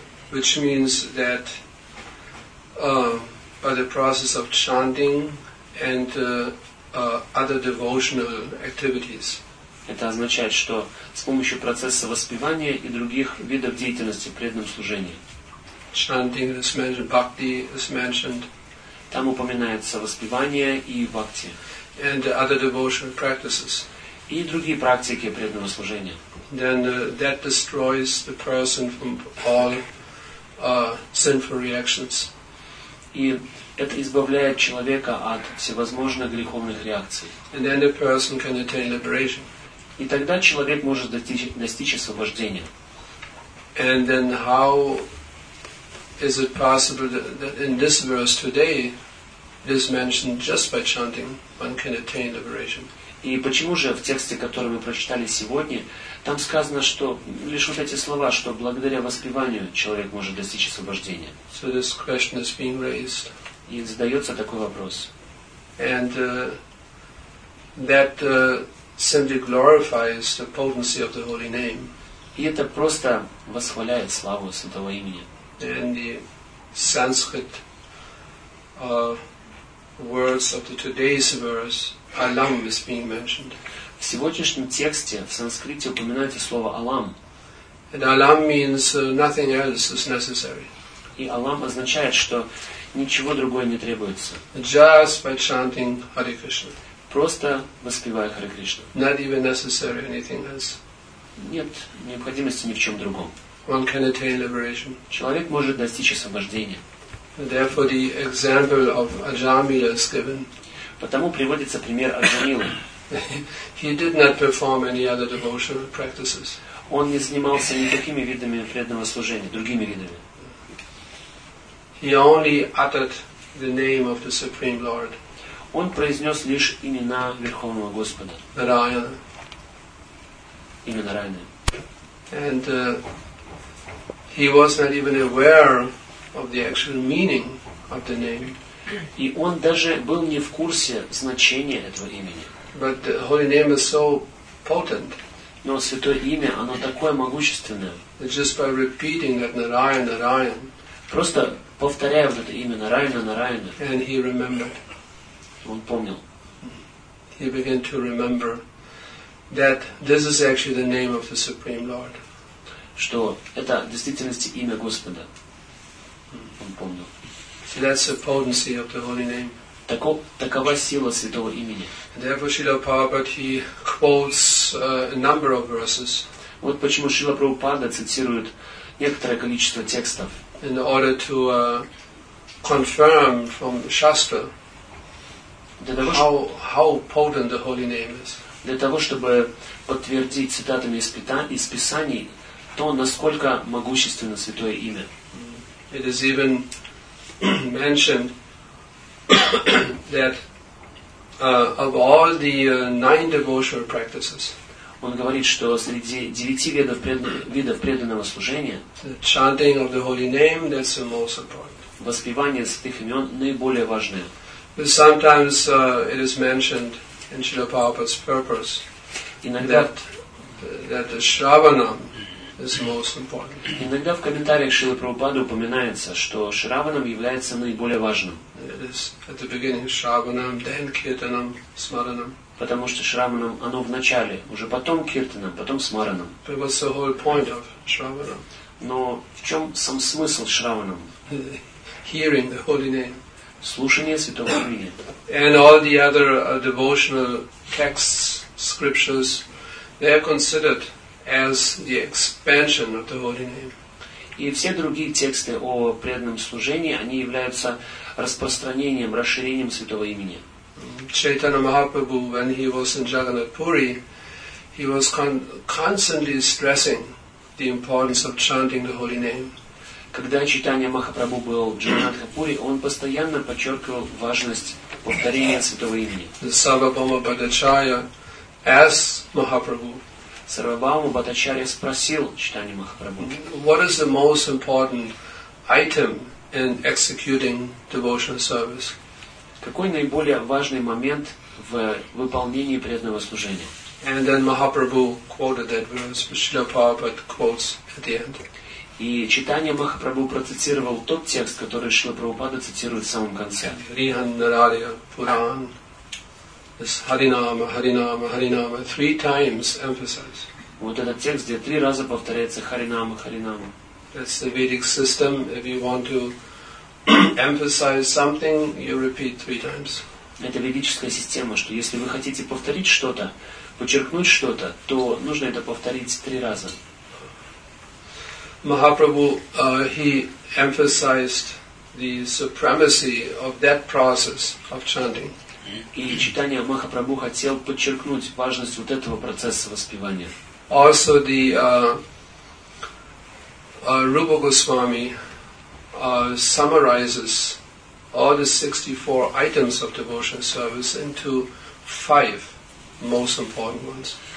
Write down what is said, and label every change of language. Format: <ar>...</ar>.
<en>Which means that by the process of chanting and other devotional activities.</en> <ru>Это означает, что с помощью процесса воспевания и других видов деятельности преданном служении.</ru> <en>Chanting is mentioned, bhakti is mentioned.</en> <ru>Там упоминается воспевание и бхакти.</ru> <en>And other devotional practices.</en> <ru>И другие практики преданного служения.</ru> <en>Then that destroys the person from all sinful reactions.</en> <ru>И это избавляет человека от всевозможных греховных реакций.</ru> <en>And then the person can attain liberation.</en> <ru>И тогда человек может достичь освобождения.</ru> <en>And then how is it possible that in this verse today it is mentioned just by chanting one can attain liberation?</en> <ru>И почему же в тексте, который мы прочитали сегодня, там сказано, что лишь вот эти слова, что благодаря воспеванию человек может достичь освобождения?</ru> <en>So this question is being raised.</en> <ru>И задается такой вопрос.</ru> <en>And that simply glorifies the potency of the holy name.</en> <ru>И это просто восхваляет славу Святого имени.</ru> <en>And the Sanskrit words of the today's verse. Alam is being mentioned.</en> <ru>В сегодняшнем тексте в санскрите упоминается слово алам.</ru> <en>And alam means nothing else is necessary.</en> <ru>И алам означает, что ничего другое не требуется.</ru> <en>Just by chanting Hare Krishna.</en> <ru>Просто воспевая Харе Кришну.</ru> <en>Not even necessary anything else.</en> <ru>Нет необходимости ни в чем другом.</ru> <en>One can attain liberation.</en> <ru>Человек может достичь освобождения.</ru> <en>Therefore, the example of Ajamila is given.</en> <ru>Потому приводится пример Аджамилы.</ru> <en>He did not perform any other devotional practices.</en> <ru>Он не занимался никакими видами преданного служения, другими видами.</ru> <en>He only uttered the name of the Supreme Lord.</en> <ru>Он произнес лишь имена Верховного Господа.</ru> <en>Narayana.</en> <ru>Имя Нараяны.</ru> <en>And he was not even aware of the actual meaning of the name.</en> <ru>И он даже был не в курсе значения этого имени.</ru> <en>But the holy name is so potent.</en> <ru>Но святое имя, оно такое могущественное.</ru> <en>Just by repeating that Narayan, Narayan.</en> <ru>Просто повторяя вот это имя Нараяна, Нараяна.</ru> <en>And he remembered.</en> <ru>Он помнил.</ru> <en>He began to remember that this is actually the name of the Supreme Lord.</en> <ru>Что это в действительности имя Господа. Он помнил.</ru> <en>So that's the potency of the holy name.</en> <ru>Такова сила святого имени.</ru> <en>Therefore, Srila Prabhupada, he quotes a number of verses.</en> <ru>Вот почему Шрила Прабхупада цитирует некоторое количество текстов.</ru> <en>In order to confirm from Shastra how potent the holy name is.</en> <ru>Для того, чтобы подтвердить цитатами из Писаний то, насколько могущественно святое имя.</ru> <en>It is even mentioned that of all the nine devotional practices,</en> <ru>он говорит, что среди девяти видов преданного служения,</ru> <en>the chanting of the holy name, that's the most important.</en> <ru>Воспевание святых имен наиболее важное.</ru> <en>But sometimes it is mentioned in Srila Prabhupada's purpose that the shravanam is most important.</en> <ru>Иногда в комментариях Шрилы Прабхупады упоминается, что Шраванам является наиболее важным.</ru> <en>It is at the beginning Shravanam, then Kirtanam, Smaranam.</en> <ru>Потому что Шраванам, оно в начале, уже потом Киртанам, потом Смаранам.</ru> <en>But what's the whole point of Shravanam?</en> <ru>Но в чем сам смысл Шраванам?</ru> <en>Hearing the holy name.</en> <ru>Слушание святого имени.</ru> <en>And all the other devotional texts, scriptures, they are considered as the expansion of the holy name.</en> <ru>И все другие тексты о преданном служении, они являются распространением, расширением святого имени.</ru> <en>Чайтанья Махапрабху, when he was in Jagannath Puri, he was constantly stressing the importance of chanting the holy name.</en> <ru>Когда Чайтанья Махапрабху был в Джаганнатхапури, он постоянно подчеркивал важность повторения святого имени.</ru> <en>Сарвабхаума Бхаттачарья asked Махапрабху.</en> <ru>Сарвабхаума Бхаттачарья спросил Чайтанья Махапрабху.</ru> <en>What is the most important item in executing devotional service?</en> <ru>Какой наиболее важный момент в выполнении преданного служения?</ru> <en>And then Махапрабху quoted that verse, which Srila Prabhupada quotes at the end.</en> <ru>И Чайтанья Махапрабху процитировал тот текст, который Шрила Прабхупада цитирует в самом конце.</ru> <sa>Риган Нарария Пуран. Харинама, Харинама, Харинама.</sa> <en>Three times emphasize.</en> <ru>Вот этот текст, где три раза повторяется Харинама, Харинама.</ru> <en>That's the Vedic system. If you want to emphasize something, you repeat three times.</en> <ru>Это ведическая система, что если вы хотите повторить что-то, подчеркнуть что-то, то нужно это повторить три раза.</ru> <en>Mahaprabhu, he emphasized the supremacy of that process of chanting.</en> <ru>И читание Махапрабху хотел подчеркнуть важность вот этого процесса воспевания.</ru> <en>Also the Rupa Goswami summarizes all the 64 items of devotional service into five most important ones.</en>